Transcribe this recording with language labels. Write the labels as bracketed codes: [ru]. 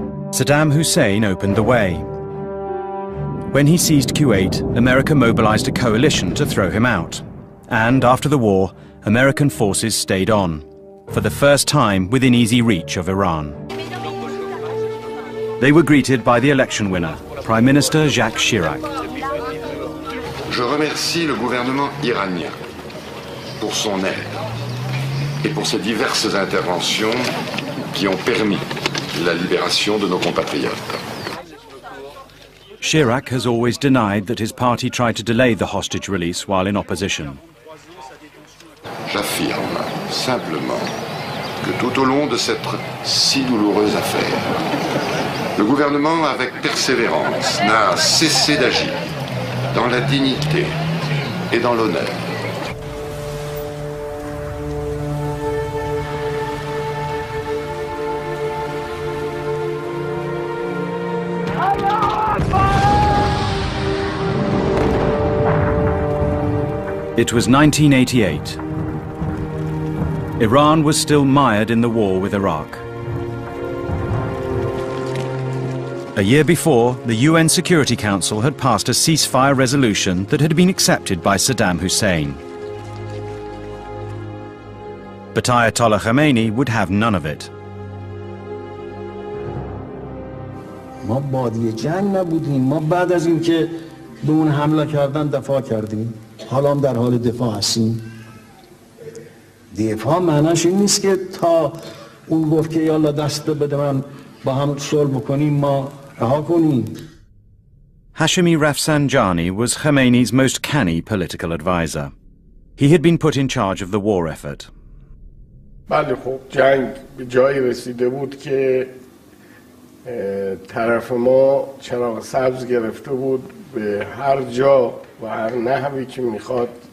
[en] Saddam Hussein opened the way. When he seized Kuwait, America mobilized a coalition to throw him out. And after the war, American forces stayed on, for the first time within easy reach of Iran. They were greeted by the election winner, Prime Minister Jacques Chirac. [fr] Je remercie le gouvernement iranien pour son aide et pour ses diverses interventions qui ont permis la libération de nos compatriotes. [en] Chirac has always denied that his party tried to delay the hostage release while in opposition. [fr] J'affirme simplement que tout au long de cette si douloureuse affaire, le gouvernement, avec persévérance, n'a cessé d'agir dans la dignité et dans l'honneur. [en] It was 1988. Iran was still mired in the war with Iraq. A year before, the UN Security Council had passed a ceasefire resolution that had been accepted by Saddam Hussein. But Ayatollah Khomeini would have none of it. [fa] ما بادی جنگ نبودیم. ما بعد از اینکه به اون حمله کردن دفاع کردیم. حالا هم در حال دفاع هستیم. دفاع معناش این نیست که تا اون گفت که یالا دست بده من با هم صلح بکنیم ما رها کنیم. [en] Hashemi Rafsanjani was Khomeini's most canny political advisor. He had been put in charge of the war effort. [fa] بله خب جنگ به جایی رسیده بود که طرف ما چراغ سبز گرفته بود به هر جا و هر نحوی که میخواد